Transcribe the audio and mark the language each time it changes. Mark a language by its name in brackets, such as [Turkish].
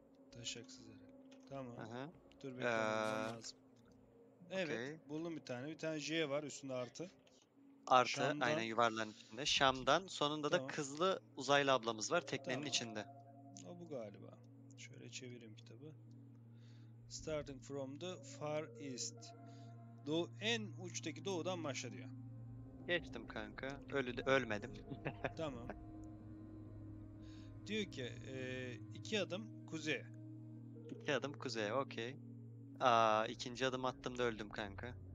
[Turkish] Taşaksız yarak. Tamam. Aha. Dur bekleyin lazım. Evet, okay. Buldum bir tane. Bir tane J var üstünde, artı. Artı Şam'dan. Aynen, yuvarlanın içinde. Şam'dan. Sonunda tamam. da kızlı uzaylı ablamız var teknenin tamam. içinde. Galiba. Şöyle çevireyim kitabı. [English] Starting from the far east. [Turkish] Doğu, en uçtaki doğudan başla diyor. Geçtim kanka. Ölmedim. Tamam. Diyor ki iki adım kuzeye. İki adım kuzeye. Okey. İkinci adım attım da öldüm kanka.